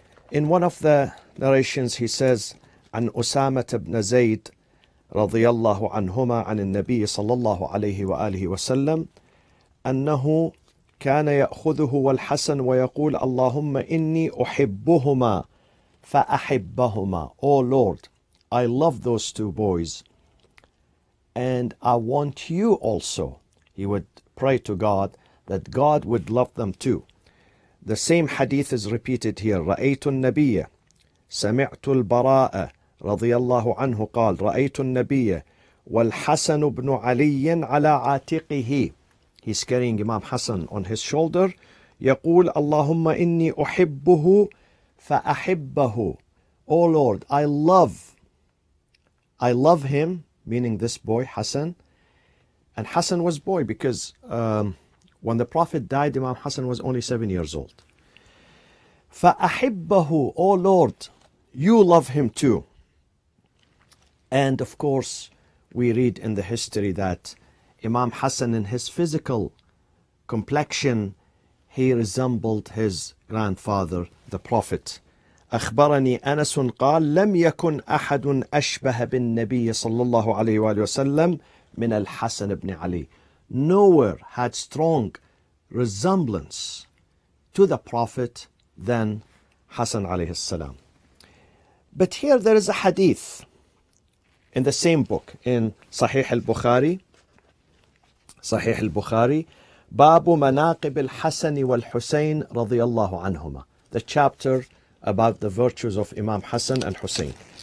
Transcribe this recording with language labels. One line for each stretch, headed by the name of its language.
English: In one of the narrations, he says,
Arabic: "An Usama ibn Zayd radiyallahu anhuma an al-Nabi sallallahu alayhi wa alihi wa sallam annahu كان يأخذه والحسن ويقول اللهم إني أحبهما فأحبهما.
English: Oh Lord, I love those two boys and I want you also. He would pray to God that God would love them too. The same hadith is repeated here.
Arabic: رأيت النبي سمعت البراء رضي الله عنه قال رأيت النبي والحسن بن علي على عاتقه.
English: He's carrying Imam Hassan on his shoulder.
Arabic: يقول اللهم إني أحبه فأحبه.
English: Oh Lord, I love him, meaning this boy, Hassan. And Hassan was boy because when the Prophet died, Imam Hassan was only 7 years old.
Arabic: فأحبه,
English: oh Lord, you love him too. And of course, we read in the history that Imam Hassan, in his physical complexion, he resembled his grandfather, the Prophet.
Arabic: أخبرني أنس قال لم يكن أحد أشبه بالنبي صلى الله عليه وآله وسلم من الحسن بن علي.
English: Nowhere had strong resemblance to the Prophet than Hassan عليه السلام. But here there is a hadith in the same book in Sahih al-Bukhari. Sahih al-Bukhari, Babu Manaqib al-Hassan wal-Hussein radiyallahu anhuma, the chapter about the virtues of Imam Hassan and Hussein.